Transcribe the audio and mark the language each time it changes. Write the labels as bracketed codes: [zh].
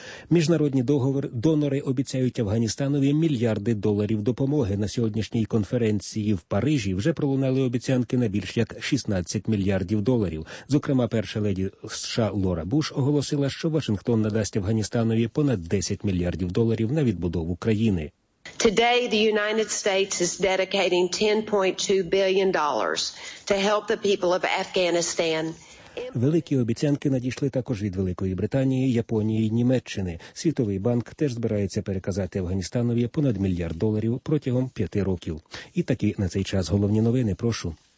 [uk] Міжнародні донори обіцяють Афганістанові мільярди доларів допомоги. На сьогоднішній конференції в Парижі вже пролунали обіцянки на більш як 16 мільярдів доларів. Зокрема, перша леді США Лора Буш оголосила, що Вашингтон надасть Афганістанові понад 10 мільярдів доларів на відбудову країни. [en] Today the United States is dedicating $10.2 billion to help the people of Afghanistan. [uk] Великі обіцянки надійшли також від Великої Британії, Японії і Німеччини. Світовий банк теж збирається переказати Афганістанові понад мільярд доларів протягом 5 років. І такі на цей час головні новини. Прошу.